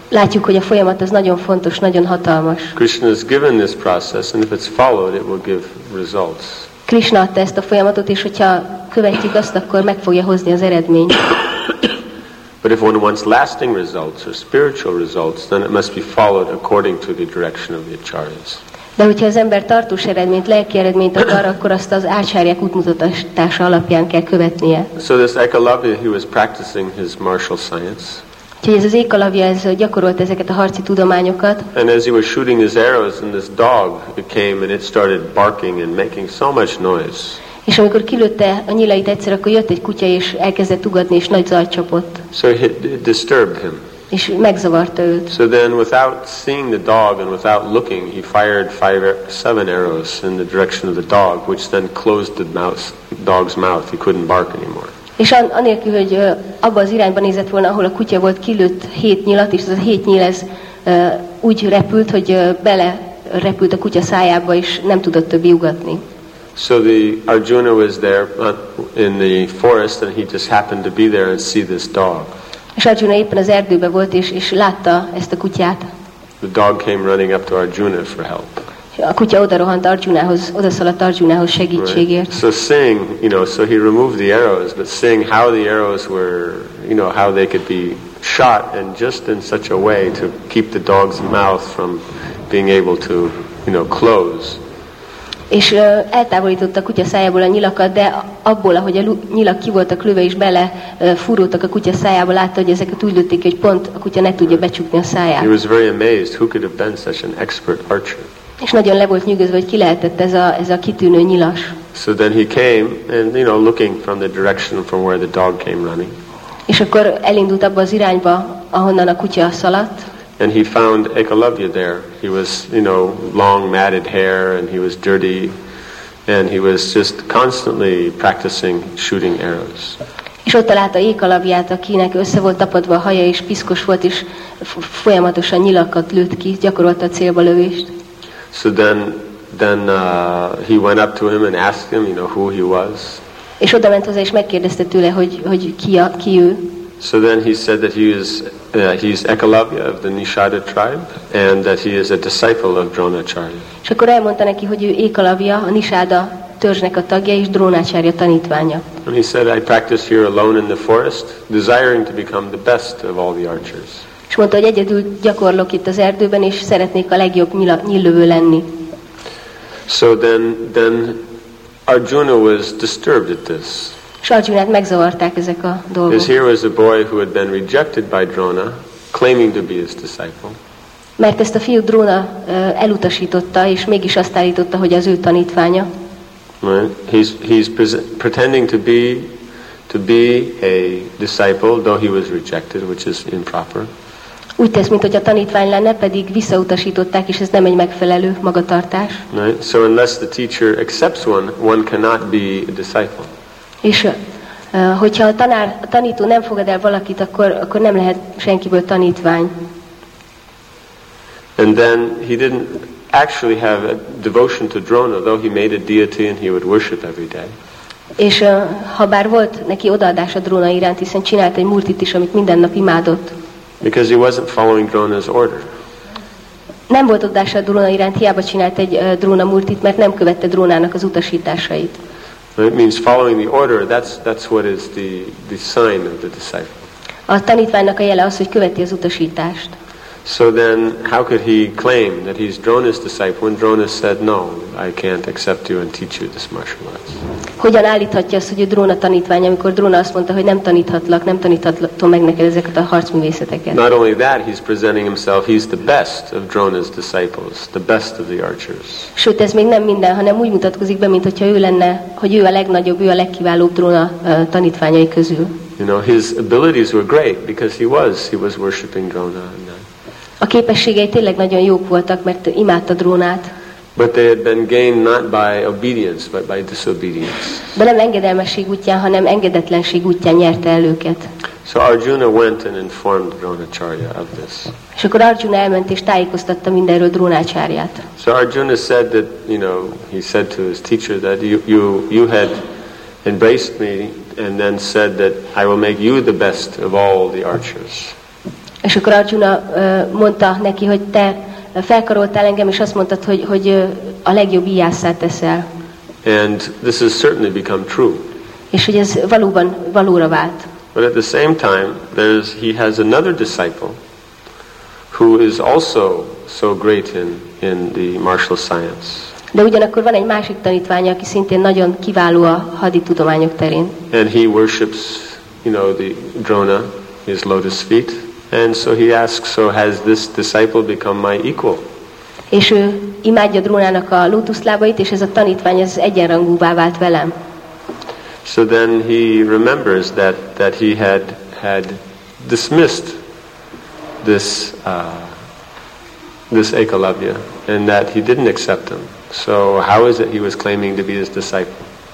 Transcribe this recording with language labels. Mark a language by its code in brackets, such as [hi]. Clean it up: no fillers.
[hu] Látjuk, hogy a folyamat az nagyon fontos, nagyon hatalmas. [en] Krishna has given this process, and if it's followed, it will give results. [hu] Krishna adta ezt a folyamatot, és hogyha követjük azt, akkor meg fogja hozni az eredményt. [en] But if one wants lasting results or spiritual results, then it must be followed according to the direction of the acharyas. [hu] De hogyha az ember tartós eredményt, lelki eredményt akar, akkor azt az ácsárják útmutatása alapján kell követnie. [en] So this Ekalavya, he was practicing his martial science. [hu] Úgyhogy ez az Ekalavya, ez gyakorolt ezeket a harci tudományokat. [en] And as he was shooting his arrows, and this dog came and it started barking and making so much noise. [hu] És amikor kilőtte a nyilait egyszer, akkor jött egy kutya és elkezdett ugatni és nagy zajt csapott. [en] So it disturbed him. [hu] És megzavarta őt. [en] So then without seeing the dog and without looking, he fired 5-7 arrows in the direction of the dog, which then closed the mouse, dog's mouth. He couldn't bark anymore. [hu] És anélkül, hogy abba az irányba nézett volna, ahol a kutya volt, kilőtt 7 nyilat, és az a 7 nyíl ez úgy repült, hogy bele repült a kutya szájába, és nem tudott többi ugatni. [en] So the Arjuna was there in the forest, and he just happened to be there and see this dog. [hu] És Arjuna éppen az erdőben volt, és látta ezt a kutyát. [en] The dog came running up to Arjuna for help. [hu] A kutya odarohant Arjunához, odaszaladt Arjunához segítségért. [en] Right. So seeing, you know, so he removed the arrows, but seeing how the arrows were, you know, how they could be shot, and just in such a way to keep the dog's mouth from being able to, you know, close. [hu] És eltávolította a kutya szájából a nyilakat, de abból, ahogy a nyilak ki voltak lőve és bele fúrultak a kutya szájába, látta, hogy ezeket úgy lőtték, hogy pont a kutya ne tudja becsukni a száját. [en] He was very amazed, who could have been such an expert archer. [hu] És nagyon le volt nyűgözve, hogy ki lehetett ez a kitűnő nyilas. [en] So then he came, and you know, looking from the direction from where the dog came running. [hu] És akkor elindult abba az irányba, ahonnan a kutya szaladt. [en] And he found Ekalavya there. He was, you know, long matted hair, and he was dirty, and he was just constantly practicing shooting arrows. [hu] És ott találta Ekalavyát, akinek össze volt tapadva a haja, és piszkos volt, és folyamatosan nyilakat lőtt ki, gyakorolta a célba lövést. [en] So then he went up to him and asked him, you know, who he was. [hu] És oda ment hozzá, és megkérdezte tőle, hogy ki ő. [en] So then he said that he is Ekalavya of the Nishada tribe, and that he is a disciple of Dronacharya. [hu] És akkor elmondta neki, hogy ő Ekalavya, a Nishada törzsnek a tagja és Dronacharya tanítványa. [en] And he said, I practice here alone in the forest, desiring to become the best of all the archers. [hu] És mondta, hogy egyedül gyakorlok itt az erdőben, és szeretnék a legjobb nyíllövő lenni. [en] So then Arjuna was disturbed at this. [hu] És Arjunát megzavarták ezek a dolgok. [en] Because here was a boy who had been rejected by Drona, claiming to be his disciple. [hu] Mert ezt a fiú Drona elutasította, és mégis azt állította, hogy az ő tanítványa. [en] Right. He's pretending to be a disciple, though he was rejected, which is improper. [hu] Úgy tesz, mint hogy a tanítvány lenne, pedig visszautasították, és ez nem egy megfelelő magatartás. [en] Right. So unless the teacher accepts one cannot be a disciple. [hu] És hogyha a tanító nem fogad el valakit, akkor nem lehet senkiből tanítvány. [en] And then he didn't actually have a devotion to Drona, though he made a deity and he would worship every day. [hu] És ha bár volt neki odaadás a Drona iránt, hiszen csinált egy murtit is, amit minden nap imádott. [en] Because he wasn't following Drona's order. [hu] Nem volt odaadás a Drona iránt, hiába csinált egy Drona murtit, mert nem követte Drónának az utasításait. [en] It means following the order, that's what is the sign of the disciple. [hu] A tanítványnak a jele az, hogy követi az utasítást. [en] So then, how could he claim that he's Drona's disciple when Drona said, no, I can't accept you and teach you this martial arts? [hu] Hogyan állíthatja azt, hogy ő Drona tanítvány, amikor Drona azt mondta, hogy nem taníthatom meg neked ezeket a harcművészeteket? [en] Not only that, he's presenting himself, he's the best of Drona's disciples, the best of the archers. [hu] Sőt, ez még nem minden, hanem úgy mutatkozik be, mintha ő lenne, hogy ő a legnagyobb, ő a legkiválóbb Drona tanítványai közül. [en] You know, his abilities were great, because he was worshipping Drona. [hu] A képességei tényleg nagyon jók voltak, mert imádta Drónát. [en] But they had been gained not by obedience, but by disobedience. [hu] De nem engedelmesség útján, hanem engedetlenség útján nyerte el őket. [en] So Arjuna went and informed Dronacharya of this. [hu] És akkor Arjuna elment és tájékoztatta mindenről Drónácsárját. [en] So Arjuna said that, you know, he said to his teacher that you had embraced me and then said that I will make you the best of all the archers. [hu] És akkor Arjuna mondta neki, hogy te felkaroltál engem, és azt mondtad, hogy a legjobb íjászát teszel. [en] And this has certainly become true. [hu] És hogy ez valóban valóra vált. [en] But at the same time, he has another disciple who is also so great in the martial science. [hu] De ugyanakkor van egy másik tanítványa, aki szintén nagyon kiváló a haditudományok terén. [en] And he worships, you know, the Drona, his lotus feet. And so he asks, so has this disciple become my equal? [hu] És ő imádja Drónának a lótuszlábait, és ez a tanítvány ez egyenrangúvá vált velem. [en] So then he remembers that he had dismissed this Ekalavya, and that he didn't accept him. So how is it he was claiming to be his disciple?